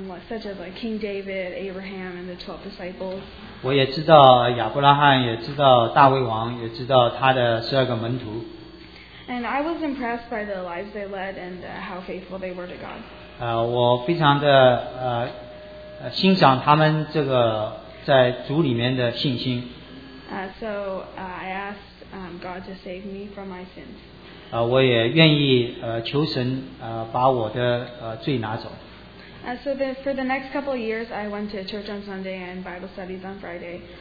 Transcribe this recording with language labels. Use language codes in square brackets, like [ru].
[en] Such as like King David, Abraham, and the 12 disciples. [zh] 我也知道亚伯拉罕，也知道大卫王，也知道他的十二个门徒。 [en] And I was impressed by the lives they led and how faithful they were to God. [zh] 我非常的欣赏他们这个在主里面的信心。 [en] I asked God to save me from my sins. [zh] 我也愿意求神把我的罪拿走。 [en] For the next couple of years, I went to church on Sunday and Bible studies on Friday.